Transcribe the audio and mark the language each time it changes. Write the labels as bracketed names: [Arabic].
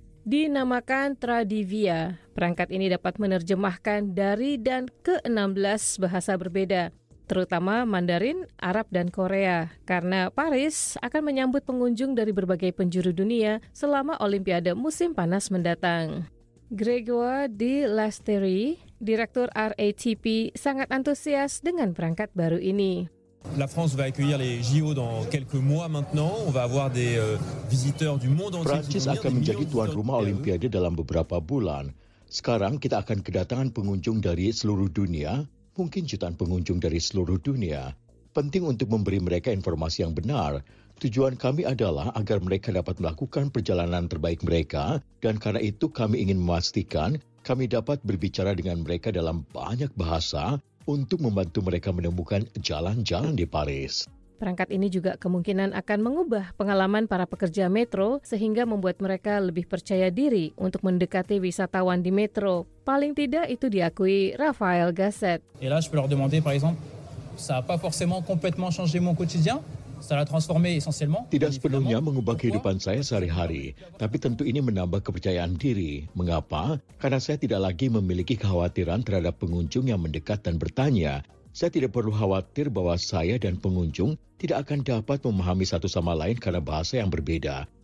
[Indonesian] Dinamakan Tradivia, perangkat ini dapat menerjemahkan dari dan ke 16 bahasa berbeda, terutama Mandarin, Arab, dan Korea, karena Paris akan menyambut pengunjung dari berbagai penjuru dunia selama Olimpiade musim panas mendatang. Grégoire de Lasteri, Direktur RATP, sangat antusias dengan perangkat baru ini. [French] La France va accueillir les JO dans quelques mois maintenant. On va avoir des visiteurs du monde entier. [Indonesian] Prancis akan menjadi tuan rumah Olimpiade dalam beberapa bulan. Sekarang kita akan kedatangan pengunjung dari seluruh dunia. Mungkin jutaan pengunjung dari seluruh dunia. Penting untuk memberi mereka informasi yang benar. Tujuan kami adalah agar mereka dapat melakukan perjalanan terbaik mereka, dan karena itu kami ingin memastikan kami dapat berbicara dengan mereka dalam banyak bahasa untuk membantu mereka menemukan jalan-jalan di Paris. Perangkat ini juga kemungkinan akan mengubah pengalaman para pekerja metro sehingga membuat mereka lebih percaya diri untuk mendekati wisatawan di metro. Paling tidak itu diakui Rafael Gasset. [French] Et là, je peux leur demander, par exemple, ça a pas forcément complètement changé mon quotidien. [Indonesian] Tidak sepenuhnya mengubah kehidupan saya sehari-hari, tapi tentu ini menambah kepercayaan diri. Mengapa? Karena saya tidak lagi memiliki kekhawatiran terhadap pengunjung yang mendekat dan bertanya. Saya tidak perlu khawatir bahwa saya dan pengunjung tidak akan dapat memahami satu sama lain karena bahasa yang berbeda.